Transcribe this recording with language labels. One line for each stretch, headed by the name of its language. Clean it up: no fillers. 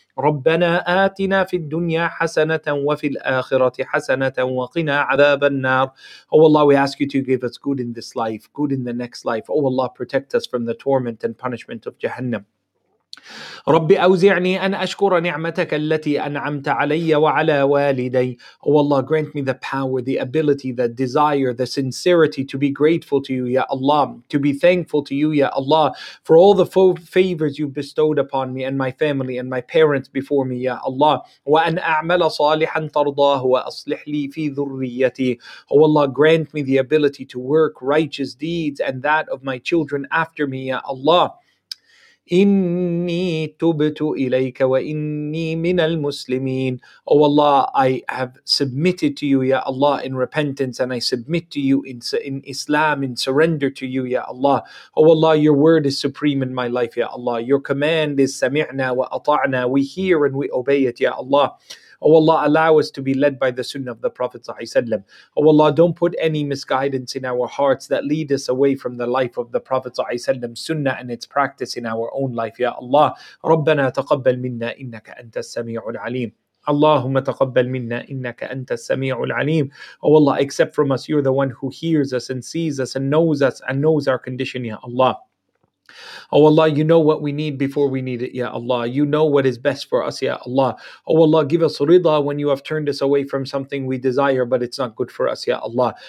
Arabic: ربنا آتنا في الدنيا حسنة وفي الآخرة حسنة وقنا عذاب النار.
English: Oh Allah, we ask you to give us good in this life, good in the next life. Oh Allah, protect us from the torment and punishment of Jahannam.
Arabic: رب أوزعني أن أشكر نعمتك التي أنعمت علي وعلى والدي.
English: Oh Allah, grant me the power, the ability, the desire, the sincerity to be grateful to you, Ya Allah, to be thankful to you, Ya Allah, for all the favors you've bestowed upon me and my family and my parents before me, Ya Allah.
Arabic: وأن أعمل صالحا ترضاه وأصلح لي في ذريتي.
English: Oh Allah, grant me the ability to work righteous deeds and that of my children after me, Ya Allah.
Arabic: إني تبت إليك وإني من المسلمين.
English: Oh Allah, I have submitted to you, Ya Allah, in repentance, and I submit to you in Islam, in surrender to you, Ya Allah. Oh Allah, your word is supreme in my life, Ya Allah. Your command is
Arabic: سمعنا وأطعنا.
English: We hear and we obey it, Ya Allah. Oh Allah, allow us to be led by the sunnah of the Prophet ﷺ. Oh Allah, don't put any misguidance in our hearts that lead us away from the life of the Prophet ﷺ, sunnah and its practice in our own life, Ya Allah.
Arabic: ربنا تقبل منا إنك أنت السميع العليم. اللهم تقبل منا إنك أنت السميع العليم.
English: Oh Allah, accept from us. You're the one who hears us and sees us and knows our condition, Ya Allah. Oh Allah, you know what we need before we need it, Ya Allah. You know what is best for us, Ya Allah. Oh Allah, give us rida when you have turned us away from something we desire, but it's not good for us, Ya Allah.